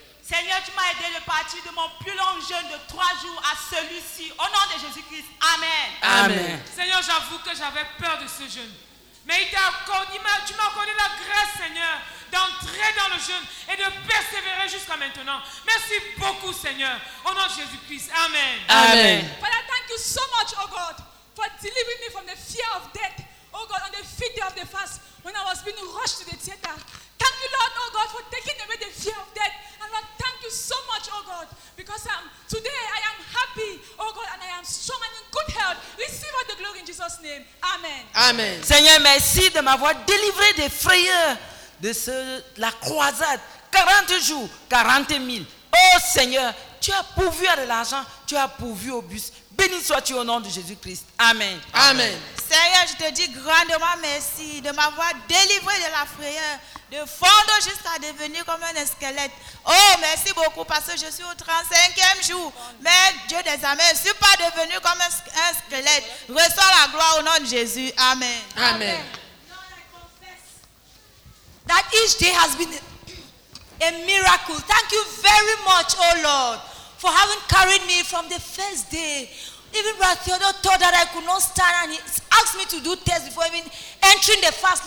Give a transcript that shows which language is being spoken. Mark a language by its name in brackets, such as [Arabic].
[French] Seigneur, tu m'as aidé de partir de mon plus long jeûne de 3 jours à celui-ci. Au nom de Jésus-Christ, amen. Amen. Seigneur, j'avoue que j'avais peur de ce jeûne. Mais tu m'as accordé la grâce, Seigneur, d'entrer dans le jeûne et de persévérer jusqu'à maintenant. Merci beaucoup, Seigneur. Au nom de Jésus-Christ. Amen. Amen. [English] Father, thank you so much, oh God, for delivering me from the fear of death, oh God, on the fifth day of the fast, when I was being rushed to the theater. Thank you, Lord, oh God, for taking away the fear of death. And Lord, thank you so much, oh God, because today I am happy, oh God, and I am strong and in good health. Receive all the glory in Jesus' name. Amen. Amen. [French] Seigneur, merci de m'avoir délivré des frayeurs de la croisade. 40 jours, 40 000. Oh Seigneur, tu as pourvu à de l'argent, tu as pourvu au bus. Béni sois-tu au nom de Jésus-Christ. Amen. Amen. Seigneur, je te dis grandement merci de m'avoir délivré de la frayeur, de fondre jusqu'à devenir comme un squelette. Oh, merci beaucoup parce que je suis au 35e jour. Mais Dieu des amis, je ne suis pas devenu comme un squelette. Reçois la gloire au nom de Jésus. Amen. Amen. [English] Lord, I confess that each day has been a miracle. Thank you very much, oh Lord, for having carried me from the first day. Even Brother Theodore thought that I could not stand, and he asked me to do tests before even entering the fast.